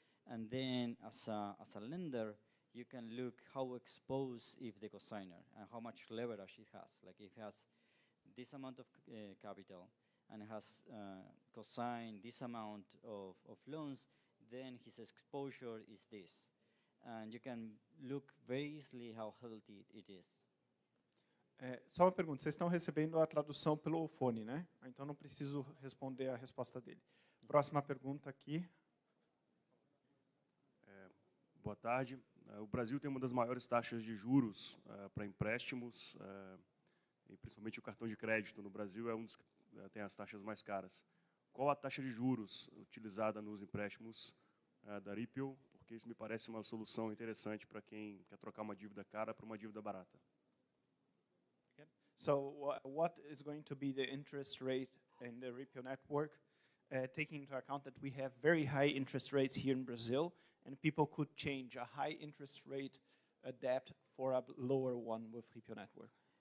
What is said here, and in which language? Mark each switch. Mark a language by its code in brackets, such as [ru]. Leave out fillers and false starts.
[en] And then as a lender, you can look how exposed is the cosigner and how much leverage it has. Like if it has this amount of capital and it has cosigned this amount of loans, then his exposure is this. And you can look very easily how healthy it is. [pt] Só uma pergunta, vocês estão recebendo a tradução pelo fone, né? Então não preciso responder a resposta dele. Próxima pergunta aqui. Boa tarde. O Brasil tem uma das maiores taxas de juros para empréstimos, e principalmente o cartão de crédito no Brasil é um dos que tem as taxas mais caras. Qual a taxa de juros utilizada nos empréstimos da Ripple? Porque isso me parece uma solução interessante para quem quer trocar uma dívida cara para uma dívida barata. [en] So what is going to be the interest rate in the Ripple network, taking into account that we have very high interest rates here in Brazil, and people could change a high interest rate debt for a lower one with Ripple network?